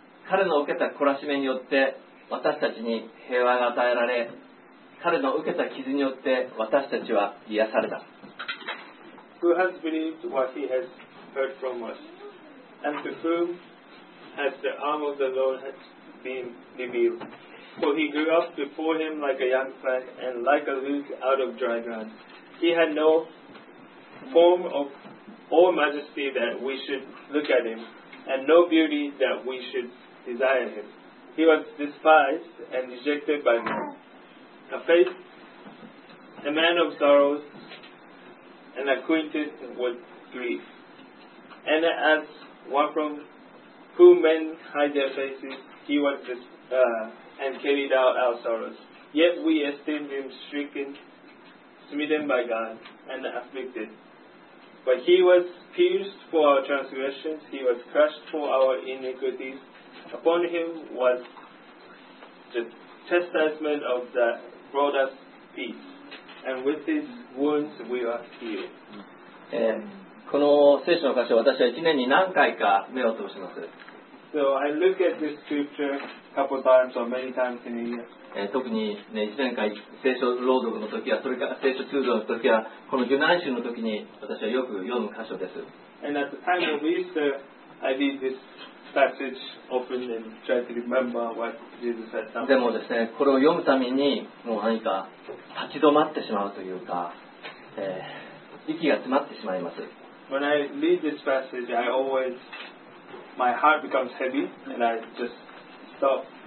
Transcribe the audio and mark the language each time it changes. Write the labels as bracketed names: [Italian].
[Japanese] 彼の受けた懲らしめによって私たちに平和が与えられ、彼の受けた傷によって私たちは癒された。 [English] Who has believed what he has heard from us? And to whom has the arm of the Lord has been revealed? For he grew up before him like a young plant and like a root out of dry ground. He had no form of all majesty that we should look at him, and no beauty that we should desire him. He was despised and rejected by men. A man of sorrows and acquainted with grief. And asOne from whom men hide their faces, he was and carried out our sorrows. Yet we esteemed him stricken, smitten by God, and afflicted. But he was pierced for our transgressions, he was crushed for our iniquities. Upon him was the chastisement of that brought us peace. And with his wounds we are healed. Amen. [Japanese] この聖書の箇所私は1年に何回か目を通します。 [English] So I look at this scripture a couple times or many times in a year. [Japanese] 特に、ね、1年間聖書朗読の時や、それから聖書通読の時や、この受難週の時に私はよく読む箇所です。 [English] And at the time of Easter, I read this passage often and try to remember what Jesus had done. [Japanese] でもですね、これを読むためにもう何か立ち止まってしまうというか、息が詰まってしまいます。 [English] When I read this passage, I always my heart becomes heavy and I just stop.